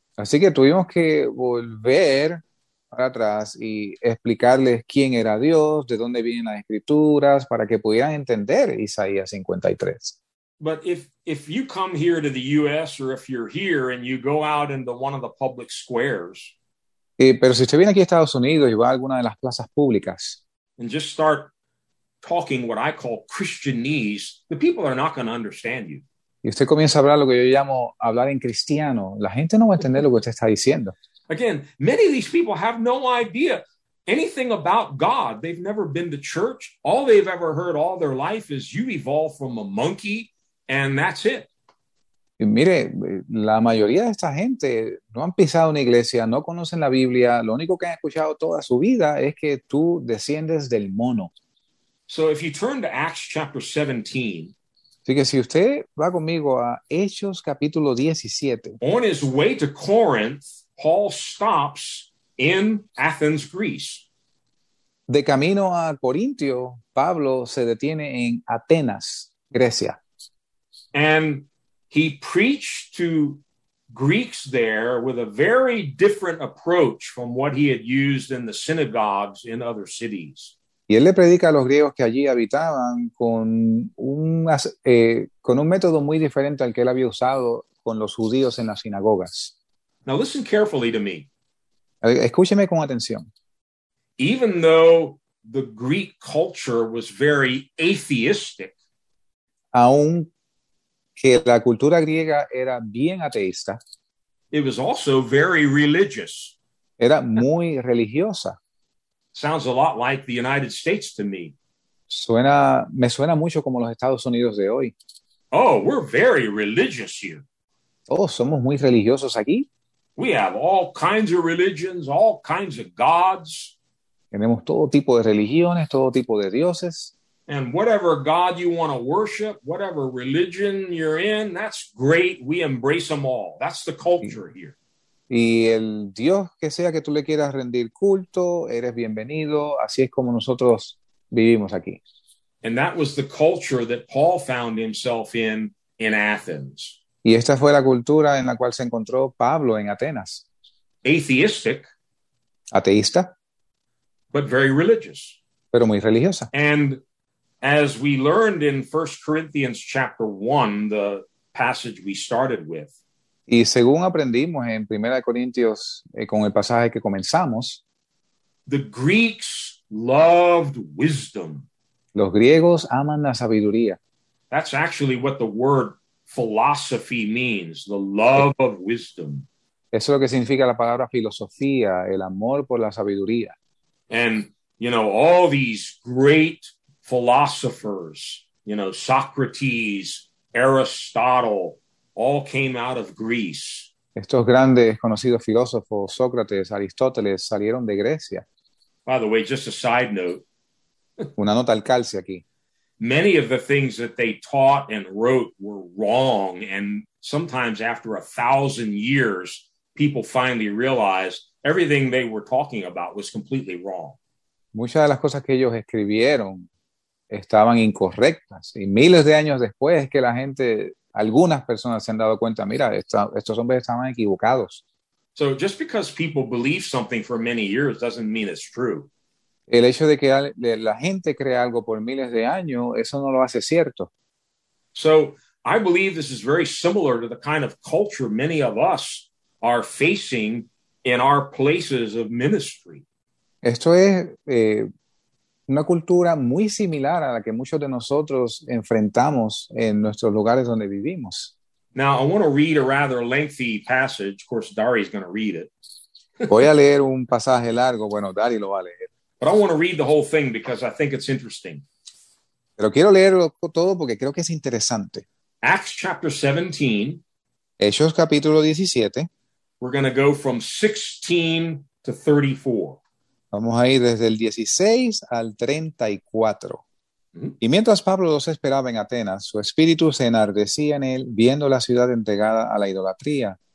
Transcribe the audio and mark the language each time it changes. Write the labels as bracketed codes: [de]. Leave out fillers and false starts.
[es] Así que tuvimos que volver para atrás y explicarles quién era Dios, de dónde vienen las escrituras, para que pudieran entender Isaías 53. [en] But if you come here to the U.S. or if you're here and you go out into one of the public squares. [es] Pero si usted viene aquí a Estados Unidos y va a alguna de las plazas públicas. [en] And just start talking what I call Christianese, the people are not going to understand you. [es] Y usted comienza a hablar lo que yo llamo hablar en cristiano. La gente no va a entender lo que usted está diciendo. [en] Again, many of these people have no idea anything about God. They've never been to church. All they've ever heard all their life is you evolved from a monkey. And that's it. [es] Y mire, la mayoría de esta gente no han pisado una iglesia, no conocen la Biblia. Lo único que han escuchado toda su vida es que tú desciendes del mono. [en] So if you turn to Acts chapter 17. [es] Así que si usted va conmigo a Hechos capítulo 17. [en] On his way to Corinth, Paul stops in Athens, Greece. [es] De camino a Corintio, Pablo se detiene en Atenas, Grecia. [en] And he preached to Greeks there with a very different approach from what he had used in the synagogues in other cities. [es] Y él le predica a los griegos que allí habitaban con un método muy diferente al que él había usado con los judíos en las sinagogas. [en] Now listen carefully to me. [es] Escúcheme con atención. [en] Even though the Greek culture was very atheistic, [es] aun que la cultura griega era bien ateísta. [en] It was also very religious. [es] Era muy religiosa. [en] Sounds a lot like the United States to me. [es] Me suena mucho como los Estados Unidos de hoy. [en] Oh, we're very religious here. [es] Oh, somos muy religiosos aquí. [en] We have all kinds of religions, all kinds of gods. [es] Tenemos todo tipo de religiones, todo tipo de dioses. [en] And whatever God you want to worship, whatever religion you're in, that's great. We embrace them all. That's the culture here. [es] Y el Dios que sea que tú le quieras rendir culto, eres bienvenido. Así es como nosotros vivimos aquí. [en] And that was the culture that Paul found himself in Athens. [es] Y esta fue la cultura en la cual se encontró Pablo en Atenas. [en] Atheistic. [es] Ateísta. [en] But very religious. [es] Pero muy religiosa. [en] And as we learned in 1 Corinthians chapter 1, the passage we started with. [es] Y según aprendimos en 1 Corintios, con el pasaje que comenzamos. [en] The Greeks loved wisdom. [es] Los griegos aman la sabiduría. [en] That's actually what the word philosophy means, the love of wisdom. [es] Eso es lo que significa la palabra filosofía, el amor por la sabiduría. [en] And, you know, all these great philosophers, you know, Socrates, Aristotle, all came out of Greece. [es] Estos grandes conocidos filósofos, Sócrates, Aristóteles, salieron de Grecia. [en] By the way, just a side note. [es] Una nota al calce aquí. [en] Many of the things that they taught and wrote were wrong, and sometimes after 1,000 years, people finally realized everything they were talking about was completely wrong. [es] Muchas de las cosas que ellos escribieron estaban incorrectas, y miles de años después es que la gente, algunas personas se han dado cuenta, mira, estos hombres estaban equivocados. [en] So just because people believe something for many years doesn't mean it's true. [es] El hecho de que la gente crea algo por miles de años, eso no lo hace cierto. [en] So I believe this is very similar to the kind of culture many of us are facing in our places of ministry. [es] Esto es una cultura muy similar a la que muchos de nosotros enfrentamos en nuestros lugares donde vivimos. [en] Now, I want to read a rather lengthy passage. Of course, Dari's going to read it. [es] Voy a leer un pasaje largo. Bueno, Dari lo va a leer. [en] But I want to read the whole thing because I think it's interesting. [es] Pero quiero leerlo todo porque creo que es interesante. [en] Acts chapter 17. [es] Hechos capítulo 17. [en] We're going to go from 16 to 34. [es] Vamos a ir desde el 16 al 34. Y mientras Pablo los esperaba en Atenas, su espíritu se enardecía en él, viendo la ciudad entregada a la idolatría.